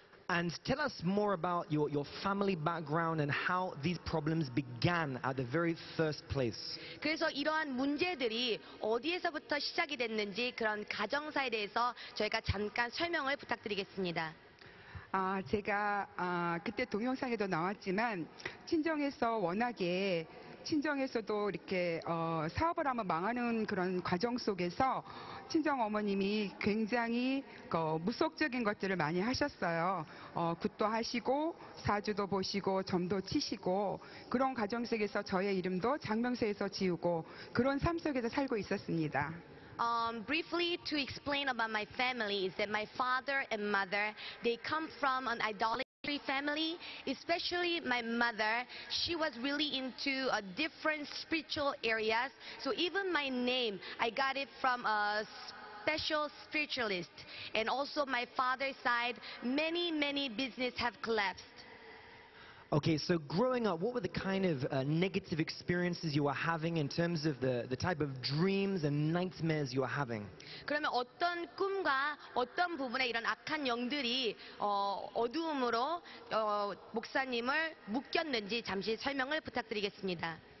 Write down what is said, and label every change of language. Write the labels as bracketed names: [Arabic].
[English] And tell us more about your family background and how these problems began at the very first place. [Korean] 그래서 이러한 문제들이 어디에서부터 시작이 됐는지 그런 가정사에 대해서 저희가 잠깐 설명을 부탁드리겠습니다. 제가 그때 동영상에도 나왔지만 친정에서 워낙에 친정에서도 이렇게 사업을 하면 망하는 그런 과정 속에서 친정 어머님이 굉장히 무속적인 것들을 많이 하셨어요. 굿도 하시고 사주도 보시고 점도 치시고 그런 과정 속에서 저의 이름도 장명세에서 지우고 그런 삶 속에서 살고 있었습니다. [English] Briefly to explain about my family is that my father and mother, they come from an idolatry family, especially my mother. She was really into a different spiritual areas. So even my name, I got it from a special spiritualist. And also my father's side, many, many business have collapsed. Okay, so growing up, what were the kind of negative experiences you were having in terms of the type of dreams and nightmares you were having? [Korean] 그러면 어떤 꿈과 어떤 부분에 이런 악한 영들이 어두움으로 목사님을 묶였는지 잠시 설명을 부탁드리겠습니다.